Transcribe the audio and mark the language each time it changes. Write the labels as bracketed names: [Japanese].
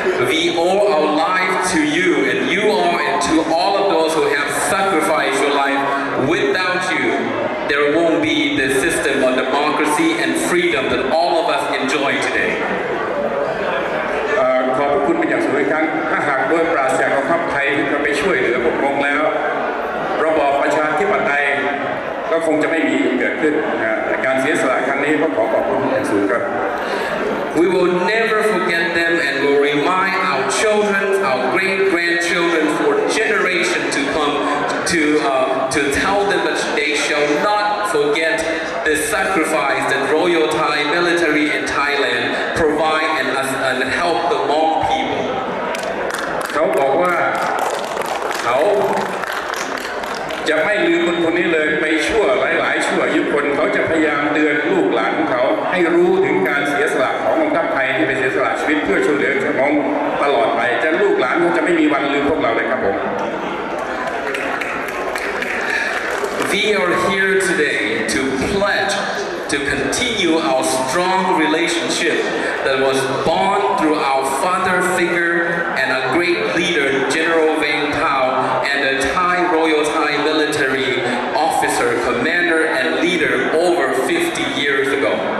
[English] We owe our life to you and you owe it to all of those who have sacrificed your life without youThere won't be the system of democracy and freedom that all of us enjoy today. [Thai] ขอบคุณเป็นอย่างสูงครับถ้าหากด้วยปราศจากกองทัพไทยที่จะไปช่วยเหลือพวกมงแล้วระบอบประชาธิปไตยก็คงจะไม่มีเกิดขึ้นนะการเสียสละครั้งนี้ก็ขอขอบคุณเป็นอย่างสูงครับ [English] We will never forget them and will remind our children, our great grandchildren for generations to come to tell them that they shall not forget the sacrifice that Royal Thai Military in Thailand provide and help the Hmong people. [Thai] เขาบอกว่าเขาจะไม่ลืมคนคนนี้เลยไปชั่วหลายๆชั่วยุคคนเขาจะพยายามเตือนลูกหลานของเขาให้รู้ถึงการเสียสละของกองทัพไทยที่ไปเสียสละชีวิตเพื่อช่วยเหลือชาวม้งตลอดไปจะลูกหลานคงจะไม่มีวันลืมพวกเราเลยครับผม [English] We are here today to pledge to continue our strong relationship that was born through our father figure and a great leader General Vang Thao and a Thai Royal Thai Military officer commander and leader over 50 years ago